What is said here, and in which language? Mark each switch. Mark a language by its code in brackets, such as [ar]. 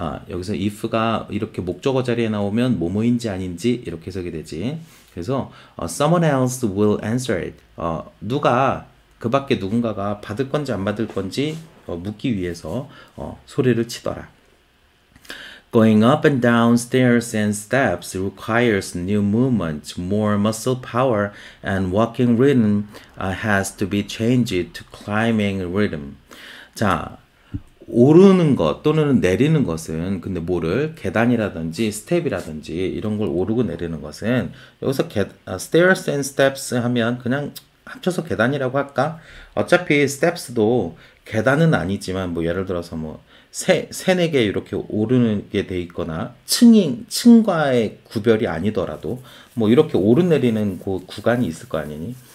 [ko] 여기서 if가 이렇게 목적어 자리에 나오면 뭐뭐인지 아닌지 이렇게 해석이 되지. [en] 그래서, someone else will answer it. [ko] 누가, 그 밖에 누군가가 받을 건지 안 받을 건지 묻기 위해서 소리를 치더라. [en] Going up and down stairs and steps requires new movement, more muscle power, and walking rhythm has to be changed to climbing rhythm. [ko] 자, 오르는 것 또는 내리는 것은 근데 뭐를 계단이라든지 스텝이라든지 이런 걸 오르고 내리는 것은 여기서 [en] stairs and steps [ko] 하면 그냥 합쳐서 계단이라고 할까? 어차피 steps도 계단은 아니지만 뭐 예를 들어서 뭐 세네 개 이렇게 오르는 게돼 있거나 층과의 구별이 아니더라도 뭐 이렇게 오르내리는 그 구간이 있을 거 아니니?